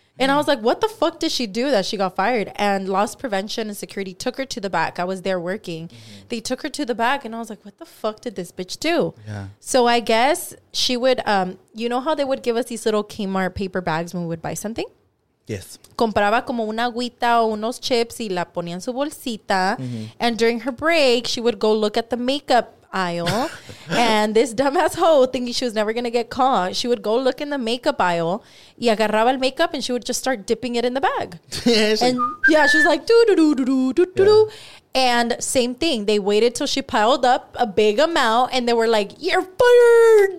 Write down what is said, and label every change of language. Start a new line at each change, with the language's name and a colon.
English: And I was like, what the fuck did she do that she got fired? And loss prevention and security took her to the back. I was there working. Mm-hmm. They took her to the back. And I was like, what the fuck did this bitch do? Yeah. So I guess she would, you know how they would give us these little Kmart paper bags when we would buy something? Yes.
Spanish: Compraba como una agüita o unos chips y la ponía en su bolsita.
English: Mm-hmm. And during her break, she would go look at the makeup aisle. And this dumbass hoe, thinking she was never gonna get caught, she would go look in the makeup aisle
Spanish: y agarraba el
English: makeup and she would just start dipping it in the bag. She was like doo-doo-doo-doo-doo-doo-doo. And same thing, they waited till she piled up a big amount and they were like, you're fired.